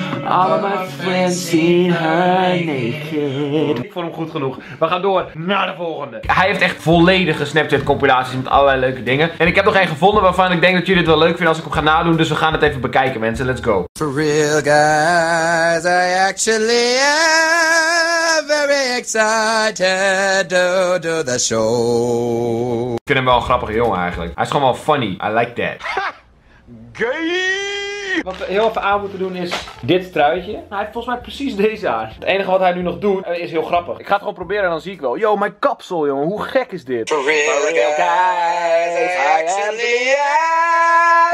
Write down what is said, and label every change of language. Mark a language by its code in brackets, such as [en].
[en] All of my friends see her naked. [nl] Ik vond hem goed genoeg. We gaan door naar de volgende. Hij heeft echt volledige Snapchat-compilaties met allerlei leuke dingen. En ik heb nog één gevonden waarvan ik denk dat jullie het wel leuk vinden als ik hem ga nadoen. Dus we gaan het even bekijken, mensen. [en] Let's go. For real, guys, I actually am very excited to do the show. [nl] Ik vind hem wel een grappige jongen eigenlijk. Hij is gewoon wel funny. [en] I like that. Ha! Gay! [nl] Wat we heel even aan moeten doen is dit truitje. Hij heeft volgens mij precies deze aan. Het enige wat hij nu nog doet is heel grappig. Ik ga het gewoon proberen en dan zie ik wel. Yo, mijn kapsel, jongen. Hoe gek is dit? [en] For real, guys, I actually am.